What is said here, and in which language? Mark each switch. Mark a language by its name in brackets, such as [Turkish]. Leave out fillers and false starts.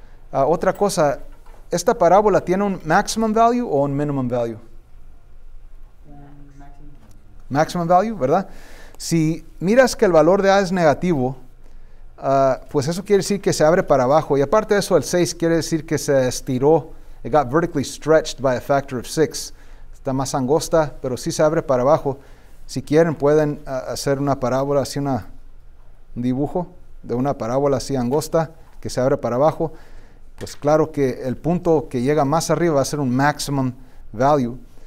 [Spanish] Otra cosa, ¿esta parábola tiene un [English] maximum value [Spanish] o un [English] minimum value? Maximum value, [Spanish] ¿verdad? Si miras que el valor de A es negativo, pues eso quiere decir que se abre para abajo. Y aparte de eso, el 6 quiere decir que se estiró. [English] It got vertically stretched by a factor of 6. [Spanish] Está más angosta, pero sí se abre para abajo. Si quieren, pueden hacer una parábola, así un dibujo de una parábola así angosta que se abre para abajo. Pues claro que el punto que llega más arriba va a ser un [English] maximum value.